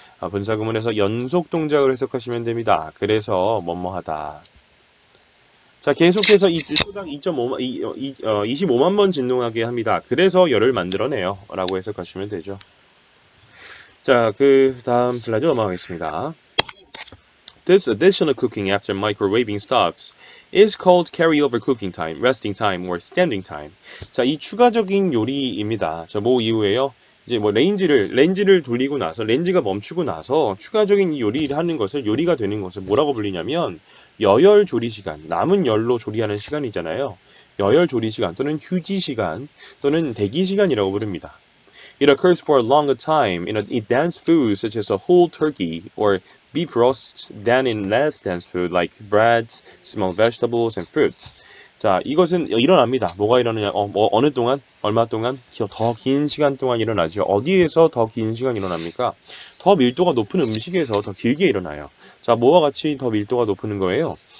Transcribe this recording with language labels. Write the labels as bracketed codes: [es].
[ko] 분사구문에서 연속 동작을 해석하시면 됩니다. 그래서 뭐뭐하다. 자, 계속해서 이 초당 2.5만, 이, 이, 어, 25만 번 진동하게 합니다. 그래서 열을 만들어내요. 라고 해석하시면 되죠. 자, 그 다음 슬라이드 넘어가겠습니다. [en] This additional cooking after microwaving stops is called carryover cooking time, resting time, or standing time. [ko] 자, 이 추가적인 요리입니다. 자, 뭐 이후에요? 이제 뭐 렌지를 돌리고 나서, 렌지가 멈추고 나서 추가적인 요리를 하는 것을, 요리가 되는 것을 뭐라고 불리냐면, 여열 조리 시간, 남은 열로 조리하는 시간이잖아요. 여열 조리 시간, 또는 휴지 시간, 또는 대기 시간이라고 부릅니다. [en] It occurs for a longer time in a dense food such as a whole turkey or beef roast than in less dense food like bread, small vegetables, and fruits. [ko] 자, 이것은 일어납니다. 뭐가 일어나냐? 어느 동안? 얼마 동안? 더긴 시간 동안 일어나죠. 어디에서 더긴 시간 일어납니까? 더 밀도가 높은 음식에서 더 길게 일어나요. 자, 뭐와 같이 더 밀도가 높은 거예요?